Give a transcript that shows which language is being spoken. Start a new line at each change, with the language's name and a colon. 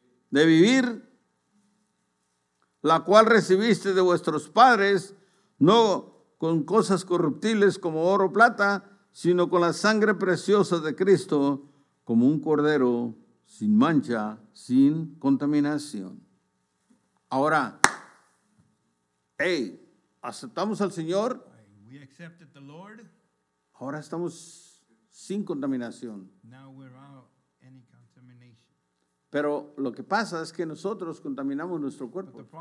Spanish: De vivir, la cual recibiste de vuestros padres, no con cosas corruptibles como oro o plata, sino con la sangre preciosa de Cristo, como un cordero sin mancha, sin contaminación. Ahora, hey, aceptamos al Señor.
English: We accepted the Lord.
Spanish: Ahora estamos sin contaminación.
English: Now we're out any contamination.
Spanish: Pero lo que pasa es que nosotros contaminamos nuestro cuerpo.